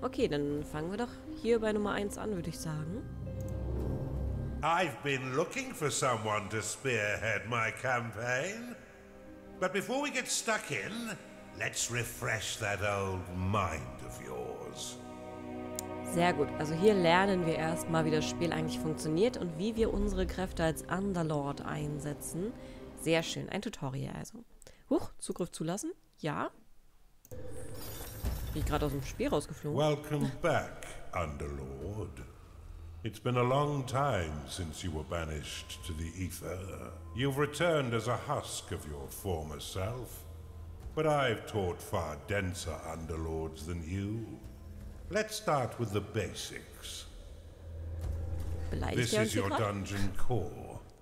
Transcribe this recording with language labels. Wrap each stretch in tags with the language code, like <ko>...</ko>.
<de>Okay, dann fangen wir doch hier bei Nummer 1 an, würde ich sagen.</de> <en>I've been looking for someone to spearhead my campaign. But before we get stuck in, let's refresh that old mind of yours.</en> <de>Sehr gut. Also hier lernen wir erstmal, wie das Spiel eigentlich funktioniert und wie wir unsere Kräfte als Underlord einsetzen. Sehr schön. Ein Tutorial also. Huch, Zugriff zulassen? Ja. Bin ich gerade aus dem Spiel rausgeflogen?</de> <en>Welcome back, Underlord. It's been a long time since you were banished to the Aether. You've returned as a husk of your former self. But I've taught far denser underlords than you. Let's start with the basics. This is your dungeon core.</en>